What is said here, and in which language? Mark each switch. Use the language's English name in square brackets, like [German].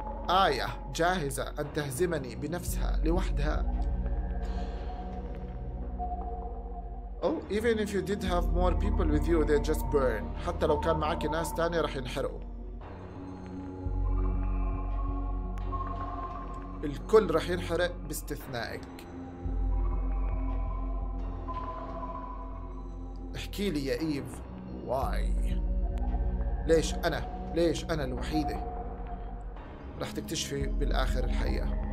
[Arabic] آية جاهزة أن تهزمني بنفسها لوحدها. [English] Oh, even if you did have more people with you, they'd just burn. [Arabic] حتى لو كان معك ناس تانية رح ينحرقوا. الكل رح ينحرق باستثنائك. احكي لي يا إيف، واي؟ ليش أنا؟ ليش أنا الوحيدة؟ رح تكتشفي بالآخر الحقيقة.